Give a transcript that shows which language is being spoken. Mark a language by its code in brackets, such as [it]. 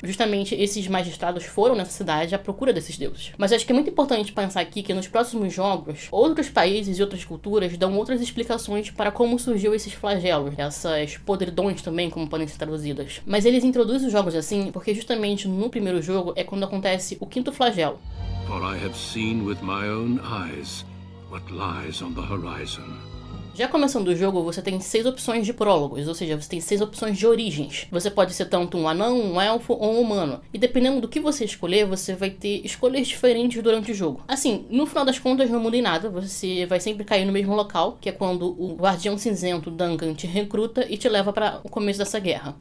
[pt] Justamente esses magistrados foram nessa cidade à procura desses deuses. Mas acho que é muito importante pensar aqui que nos próximos jogos, outros países e outras culturas dão outras explicações para como surgiu esses flagelos, essas podridões também, como podem ser traduzidas. Mas eles introduzem os jogos assim porque justamente no primeiro jogo é quando acontece o quinto flagelo. [en] For I have seen with my own eyes what lies on the horizon. [pt] Já começando o jogo, você tem 6 opções de prólogos, ou seja, você tem 6 opções de origens. Você pode ser tanto um anão, um elfo ou um humano. E dependendo do que você escolher, você vai ter escolhas diferentes durante o jogo. Assim, no final das contas não muda em nada, você vai sempre cair no mesmo local, que é quando o Guardião Cinzento Duncan te recruta e te leva para o começo dessa guerra.